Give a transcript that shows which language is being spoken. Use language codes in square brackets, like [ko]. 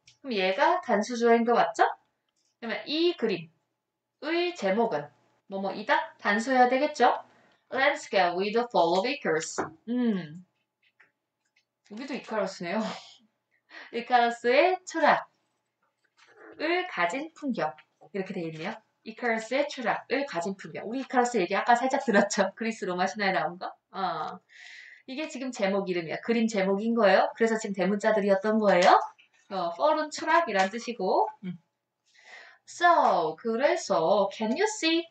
[ko] 그럼 얘가 단수주어인 거 맞죠? 그러면 이 그림의 제목은 뭐뭐이다? 단수여야 되겠죠? [en] Landscape with a fall of Icarus. [ko] 여기도 이카로스네요. 이카로스의 추락을 가진 풍경. 이렇게 돼 있네요. 이카로스의 추락을 가진 풍경. 우리 이카로스 얘기 아까 살짝 들었죠? 그리스 로마 신화에 나온 거? 이게 지금 제목 이름이야. 그림 제목인 거예요. 그래서 지금 대문자들이었던 거예요. Fallen 추락이란 뜻이고. [en] So, [ko] 그래서 [en] Can you see?